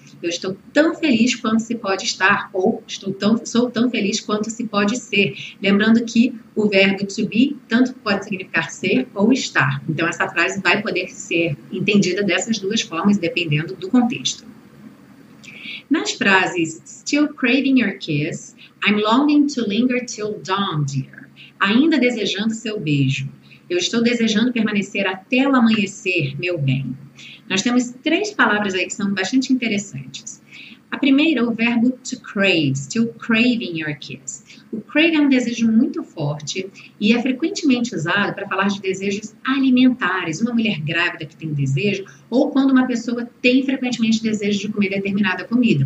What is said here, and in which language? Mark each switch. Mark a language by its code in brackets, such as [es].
[pt] Eu estou tão feliz quanto se pode estar, ou sou tão feliz quanto se pode ser. Lembrando que o verbo to be tanto pode significar ser ou estar. Então, essa frase vai poder ser entendida dessas duas formas, dependendo do contexto. Nas frases [en] still craving your kiss, I'm longing to linger till dawn, dear. [pt] Ainda desejando seu beijo. Eu estou desejando permanecer até o amanhecer, meu bem. Nós temos três palavras aí que são bastante interessantes. A primeira, o verbo to crave, [en] still craving your kiss. [pt] O crave é um desejo muito forte e é frequentemente usado para falar de desejos alimentares, uma mulher grávida que tem desejo, ou quando uma pessoa tem frequentemente desejo de comer determinada comida.